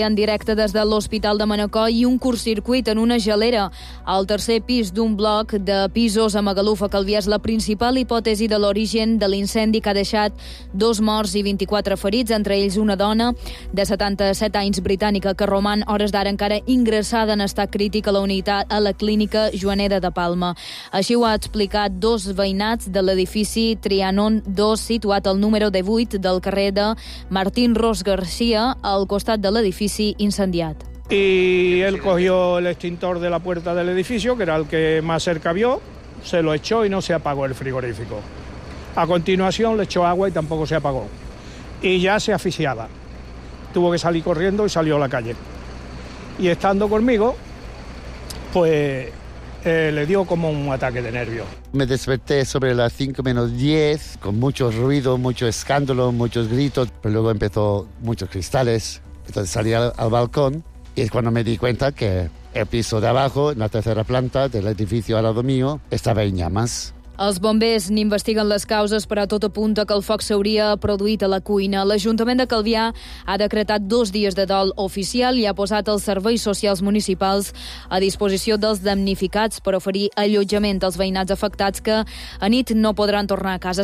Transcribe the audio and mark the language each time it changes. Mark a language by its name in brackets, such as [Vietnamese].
[Catalan] En directe des de l'Hospital de Manacor, i un curtcircuit en una gelera al tercer pis d'un bloc de pisos a Magalufa, Calvià, és la principal hipòtesi de l'origen de l'incendi que ha deixat 2 morts i 24 ferits, entre ells una dona de 77 anys, britànica, que roman hores d'ara encara ingressada en estat crític a la unitat a la clínica Joaneda de Palma. Així ho ha explicat dos veïnats de l'edifici Trianon 2, situat al número 18 del carrer de Martín Ros García, al costat de l'edifici incendiat. [Spanish] Y él cogió el extintor de la puerta del edificio, que era el que más cerca vio, se lo echó y no se apagó el frigorífico. A continuación le echó agua y tampoco se apagó. Y ya se asfixiaba. Tuvo que salir corriendo y salió a la calle. Y estando conmigo, pues le dio como un ataque de nervio. Me desperté sobre las 5 menos 10 con mucho ruido, mucho escándalo, muchos gritos, pero luego empezó muchos cristales. Entonces salí al balcón y es cuando me di cuenta que el piso de abajo, en la tercera planta del edificio al lado mío, estaba en llamas. [Catalan] Els bombers n'investiguen les causes, però tot apunta que el foc s'hauria produït a la cuina. L'Ajuntament de Calvià ha decretat 2 dies de dol oficial i ha posat els serveis socials municipals a disposició dels damnificats per oferir allotjament als veïnats afectats que a nit no podran tornar a casa.